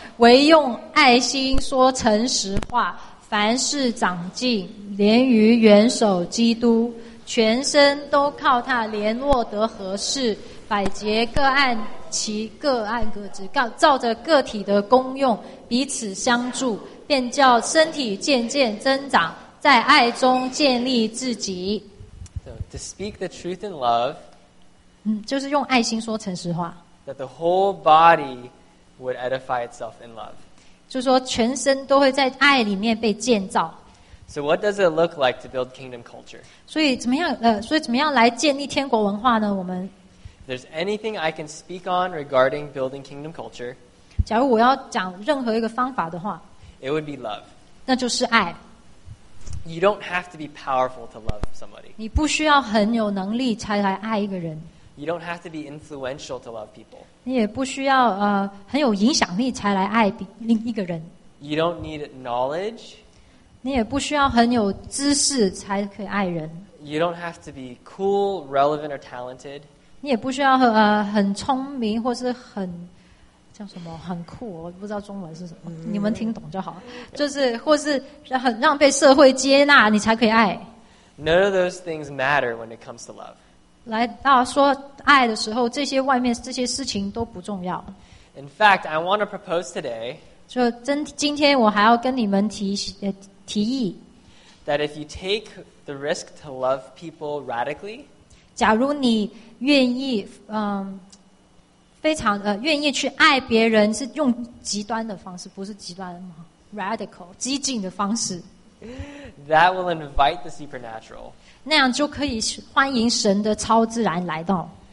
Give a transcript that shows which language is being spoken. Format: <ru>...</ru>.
<zh>唯用爱心说诚实话，凡事长进，连于元首基督，全身都靠他联络得合适，百节各按其各按各职，照着个体的功用彼此相助，便叫身体渐渐增长，在爱中建立自己。So,</zh> <en>to speak the truth in love,</en> <zh>就是用爱心说诚实话。</zh> <en>That the whole body would edify itself in love.</en> <zh>就是说全身都会在爱里面被建造。</zh> <en>So what does it look like to build kingdom culture?</en> <zh>所以怎么样来建立天国文化呢? 我们</zh> <en>If there's anything I can speak on regarding building kingdom culture,</en> <zh>假如我要讲任何一个方法的话,</zh> <en>it would be love.</en> <zh>那就是爱。</zh> <en>You don't have to be powerful to love somebody.</en> <zh>你不需要很有能力才来爱一个人。</zh> <en>You don't have to be influential to love people.</en> <zh>你也不需要很有影响力才来爱另一个人。</zh> <en>You don't need knowledge.</en> <zh>你也不需要很有知识才可以爱人。</zh> <en>You don't have to be cool, relevant, or talented.</en> <zh>你也不需要很聪明或是很像什么很酷，我不知道中文是什么，你们听懂就好。就是或是很让被社会接纳，你才可以爱。</zh> <en>None of those things matter when it comes to love.</en> <zh>来到说爱的时候，这些外面这些事情都不重要。</zh> <en>In fact, I want to propose today.</en> <zh>就真今天我还要跟你们提议。</zh> <en>That if you take the risk to love people radically.</en> <zh>假如你愿意非常愿意去爱别人，是用极端的方式，不是极端吗 ？Radical， 激进的方式。</zh> <en>That will invite the supernatural.</en> <zh>那样就可以欢迎神的超自然来到。</zh>